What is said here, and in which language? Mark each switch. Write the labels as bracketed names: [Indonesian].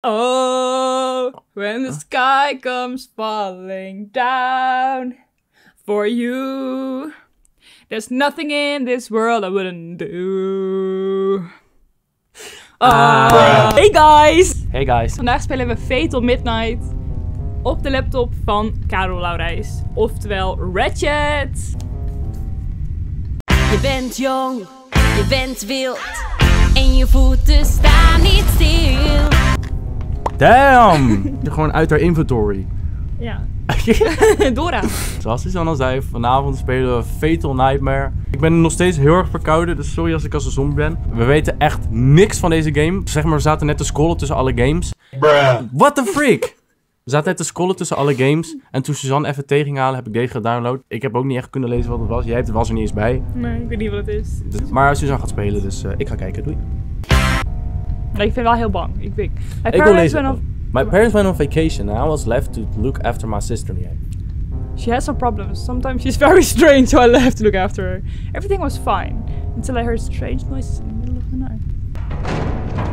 [English] When the sky comes falling down for you, there's nothing in this world I wouldn't do. Hey guys! Hey guys! [Dutch] Vandaag spelen we Fatal Midnight op de laptop van Karel Laurijs, oftewel Ratchet. Je bent jong, je bent wild en je voeten staan niet stil. [English] Damn! [Dutch] Gewoon uit haar inventory. Ja. Dora. Zoals Susanne al zei, vanavond spelen we Fatal Nightmare. Ik ben nog steeds heel erg verkouden, dus sorry als ik als een zombie ben. We weten echt niks van deze game. Zeg maar, we zaten net te scrollen tussen alle games. [English] Bruh. What the freak? [Dutch] We zaten net te scrollen tussen alle games. En toen Susanne even tegen ging halen, heb ik deze gedownload. Ik heb ook niet echt kunnen lezen wat het was. Jij hebt het was er niet eens bij. Nee, ik weet niet wat het is. Maar Susanne gaat spelen, dus ik ga kijken. Doei. Ik vind wel heel bang. Ik wil lezen. [English] My parents went on vacation and I was left to look after my sister in the end. She has some problems. Sometimes she's very strange, so I left to look after her. Everything was fine until I heard strange noises in the middle of the night.